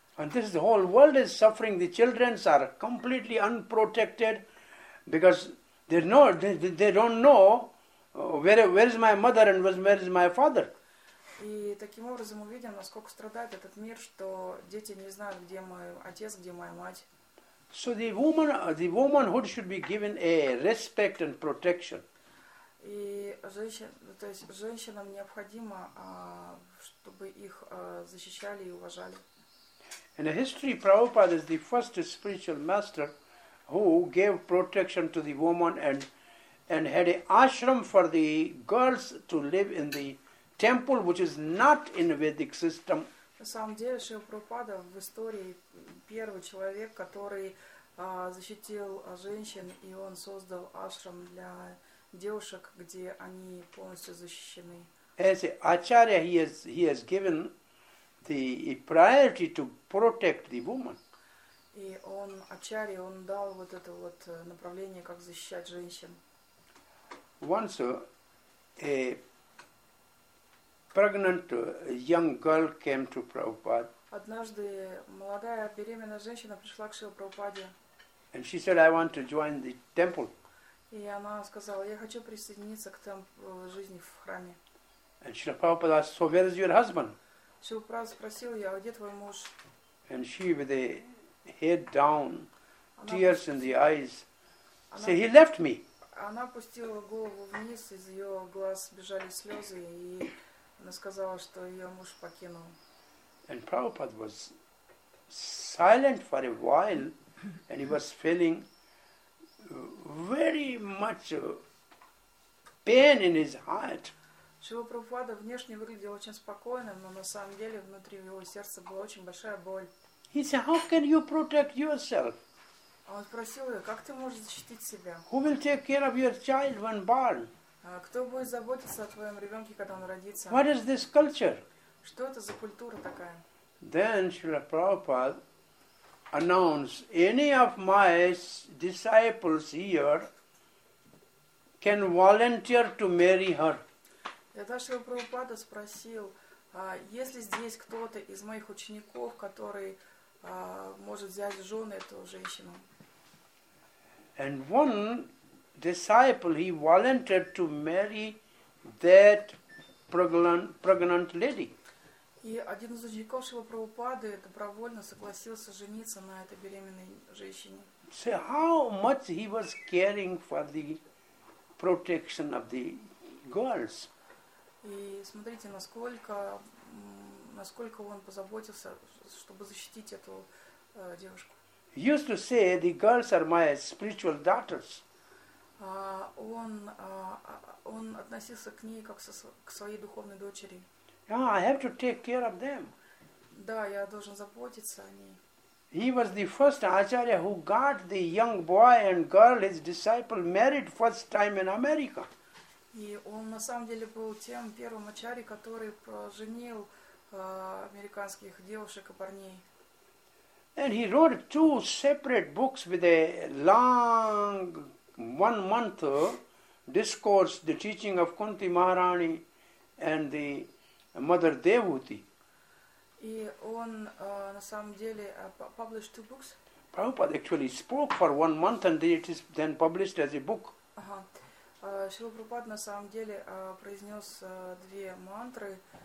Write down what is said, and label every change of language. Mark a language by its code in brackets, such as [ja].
[en] And this is the whole world is suffering. The children are completely unprotected because. They don't know where is my mother and where is my father. [ru] И таким образом мы видим, насколько страдает этот мир, что дети не знают, где мой отец, где моя мать. [en] So the womanhood should be given a respect and protection. [ru] И женщина, то есть женщинам необходимо, чтобы их защищали и уважали. [en] In the history, Prabhupada is the first spiritual master who gave protection to the woman and had an ashram for the girls to live in the temple, which is not in the Vedic system. [ru] На самом деле, Шрила Прабхупада в истории первый человек, который защитил женщин, и он создал ашрам для девушек, где они полностью защищены. [en] As an acharya, he has given the priority to protect the woman. [ru] И он ачарья, он дал вот это вот направление, как защищать женщин. [en] Once a pregnant young girl came to Prabhupada. [ru] Однажды молодая беременная женщина пришла к Шриле Прабхупаде. [en] And she said, "I want to join the temple." [ru] И она сказала, я хочу присоединиться к жизни в храме. [en] And Shri Prabhupada asked, "So where is your husband?" [ru] Шрила Прабхупада спросил ее, а где твой муж? [en] And she with a head down, [ru] она [en] tears in the eyes, said, "He left me." [ru] Она опустила голову вниз, из ее глаз бежали слезы, и она сказала, что ее муж покинул. [en] And Prabhupada was silent for a while, and he was feeling very much pain in his heart. [ru] Шрила Прабхупада внешне выглядел очень спокойным, но на самом деле внутри его сердца была очень большая боль. [en] He said, "How can you protect yourself?" [ru] Он спросил ее, как ты можешь защитить себя? [en] Who will take care of your child when born? [ru] Кто будет заботиться о твоем ребенке, когда он родится? [en] What is this culture? [ru] Что это за культура такая? [en] Then Srila Prabhupada announced, "Any of my disciples here can volunteer to marry her." [ru] Тогда Шрила Прабхупада спросил, есть ли здесь кто-то из моих учеников, который может взять в жены эту женщину. [en] And one disciple, he volunteered to marry that pregnant lady. [ru] И один из учеников Шрила Прабхупады добровольно согласился жениться на этой беременной женщине. [en] So how much he was caring for the protection of the girls. [ru] И смотрите, насколько он позаботился, чтобы защитить эту девушку. [en] Used to say, "The girls are my spiritual daughters." [ru] Он относился к ней как к своей духовной дочери. [en] I have to take care of them. [ru] Да, я должен заботиться о ней. [en] He was the first acharya who got the young boy and girl, his disciple, married first time in America. [ru] И он на самом деле был тем первым ачарьей, который поженил американских девушек и парней. [en] And he wrote two separate books with a long 1 month discourse, the teaching of Kunti Maharani and the Mother Devuti. [ru] И он на самом деле [en] published two books. Prabhupada actually spoke for 1 month and then it is then published as a book. [ru] Шрила Прабхупада на самом деле произнес две мантры.